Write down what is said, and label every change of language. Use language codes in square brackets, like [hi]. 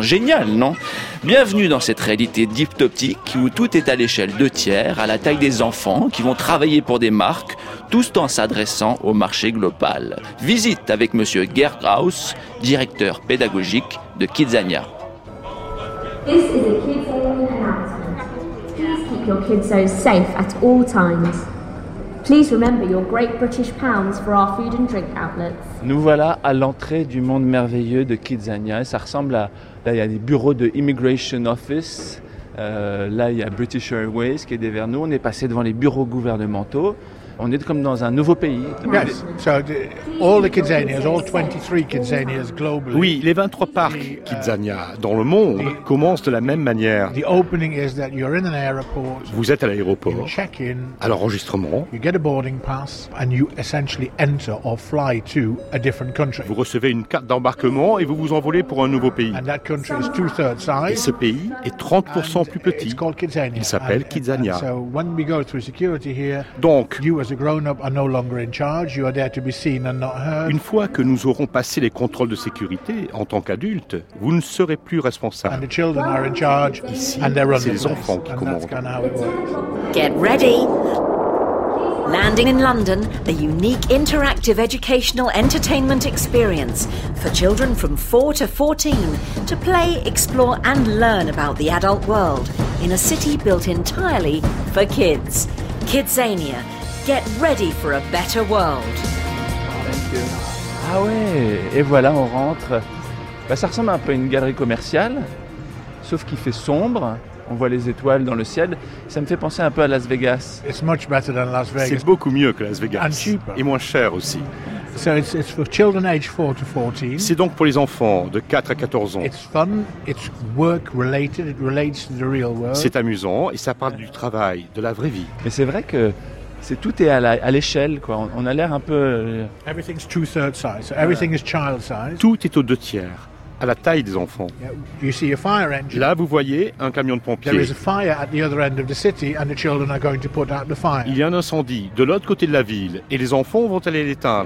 [fr] Génial, non ? Bienvenue dans cette réalité dystopique où tout est à l'échelle de tiers, à la taille des enfants qui vont travailler pour des marques, tout en s'adressant au marché global. Visite avec Monsieur Gerd Graus, directeur pédagogique de Kidzania. [en] This is a kids only announcement. Please keep your kids zones safe at all times. Please remember your great British pounds for our food and drink outlets. [fr] Nous voilà à l'entrée du monde merveilleux de Kidzania. Ça ressemble à... Là, il y a des bureaux de Immigration Office. Là, il y a British Airways qui est derrière nous. On est passé devant les bureaux gouvernementaux. On est comme dans un nouveau pays. [en] Yes. So all the Kidzanias, all 23 Kidzanias globally. [fr] Oui, les 23 parcs Kidzania dans le monde commencent de la même manière. [en] The opening is that you're in an airport. [fr] Vous êtes à l'aéroport. [en] You check in. [fr] À l'enregistrement. [en] You get a boarding pass and you essentially enter or fly to a different country. [fr] Vous recevez une carte d'embarquement et vous vous envolez pour un nouveau pays. [en] And that country is two-thirds size. [fr] Et ce pays est 30% plus petit. [en] It's called Kidzania. [fr] Il s'appelle Kidzania. [en] So when we go through security here, [fr] donc [en] as a grown-up are no longer in charge, you are there to be seen and not heard. [fr] Une fois que nous aurons passé les contrôles de sécurité en tant qu'adulte, vous ne serez plus responsable. [en] And the children are in charge. [fr] Ici, [en] and they're [fr] c'est les enfants qui commandent. [en] Kind of get ready. Landing in London, a unique interactive educational entertainment experience for children from 4 to 14 to play, explore and learn about the adult world in a city built entirely for kids. Kidzania. Get ready for a better world. Thank you. [fr] Ah ouais, et voilà, on rentre. Bah, ça ressemble un peu à une galerie commerciale, sauf qu'il fait sombre, on voit les étoiles dans le ciel. Ça me fait penser un peu à Las Vegas. [en] It's much better than Las Vegas. [fr] C'est beaucoup mieux que Las Vegas. [en] And cheaper. [fr] Et moins cher aussi. [en] So it's for children age 4 to 14. [fr] C'est donc pour les enfants de 4 à 14 ans. [en] It's fun, it's work related, it relates to the real world. [fr] C'est amusant et ça parle du travail, de la vraie vie. Mais c'est vrai que c'est tout est à l'échelle, quoi. On a l'air un peu. [en] Everything's two-thirds size. So everything is child size. [fr] Tout est aux deux tiers, à la taille des enfants. [en] Yeah. You see a fire engine. [fr] Là, vous voyez un camion de pompiers. [en] There is a fire at the other end of the city, and the children are going to put out the fire. [fr] Il y a un incendie de l'autre côté de la ville, et les enfants vont aller l'éteindre.